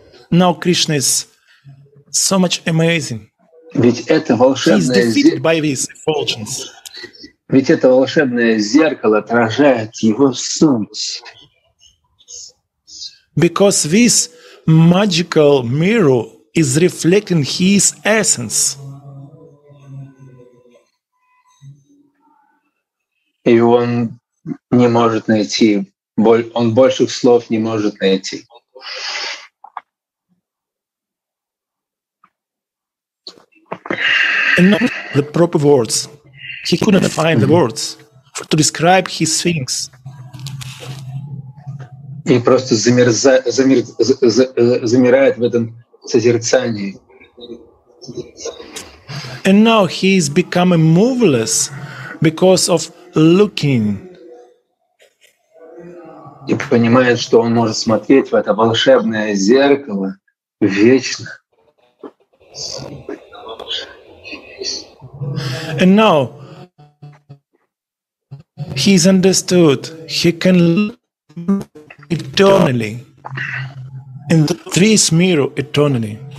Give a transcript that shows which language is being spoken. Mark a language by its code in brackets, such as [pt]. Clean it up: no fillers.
[en] Now Krishna is so much amazing. [ru] Ведь это волшебное зеркало отражает его суть. [en] Because this magical mirror is reflecting his essence. [ru] И он не может найти, он больших слов не может найти. [en] And not the proper words. He couldn't find the words to describe his feelings. [ru] И просто замирает в этом созерцании. [en] And now he is becoming moveless because of looking. [ru] И понимает, что он может смотреть в это волшебное зеркало вечно. [en] And now he is understood. He can eternally, in this mirror, eternally.